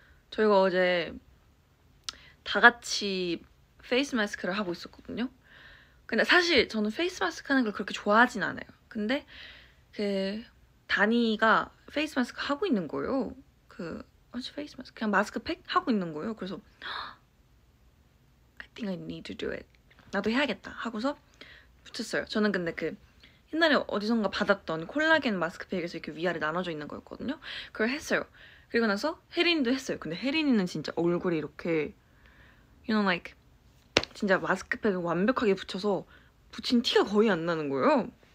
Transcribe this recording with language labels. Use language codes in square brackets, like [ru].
[ko] 저희가 어제 다 같이 페이스 마스크를 하고 있었거든요. 근데 사실 저는 페이스 마스크 하는 걸 그렇게 좋아하진 않아요. 근데 그 다니가 페이스 마스크 하고 있는 거예요. 그 어찌 페이스 마스크 그냥 마스크 팩 하고 있는 거예요. 그래서 [en] I think I need to do it. [ko] 나도 해야겠다 하고서 붙였어요. 저는 근데 그 옛날에 어디선가 받았던 콜라겐 마스크 팩에서 이렇게 위아래 나눠져 있는 거였거든요. 그걸 했어요. 그리고 나서 혜린이도 했어요. 근데 혜린이는 진짜 얼굴이 이렇게 [en] you know like [ko] 진짜 마스크팩을 완벽하게 붙여서 붙인 티가 거의 안 나는 거예요.